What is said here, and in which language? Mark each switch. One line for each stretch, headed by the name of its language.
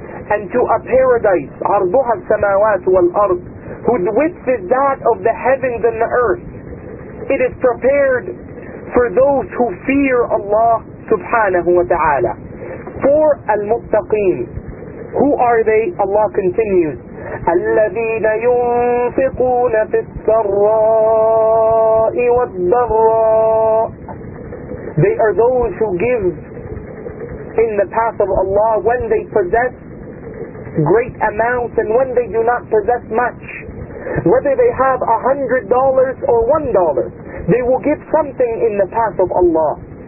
English: And to a paradise,
Arabic: عَرْضُهَا السَّمَاوَاتُ وَالْأَرْضِ,
English: whose width is that of the heavens and the earth. It is prepared for those who fear Allah subhanahu wa ta'ala. For al-muttaqeen, who are they? Allah continues,
Arabic: الَّذِينَ يُنْفِقُونَ فِي السَّرَّاءِ وَالضَّرَّاءِ.
English: They are those who give in the path of Allah when they possess great amounts and when they do not possess much. Whether they have $100 or $1, they will give something in the path of Allah.